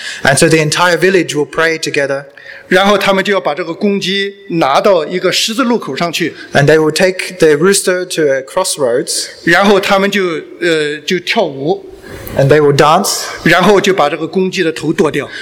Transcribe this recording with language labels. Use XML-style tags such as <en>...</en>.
<en>And so the entire village will pray together.</en> <zh>然后他们就要把这个公鸡拿到一个十字路口上去。</zh> <en>And they will take the rooster to a crossroads.</en> <zh>然后他们就跳舞。</zh> <en>And they will dance.</en> <zh>然后就把这个公鸡的头剁掉。</zh>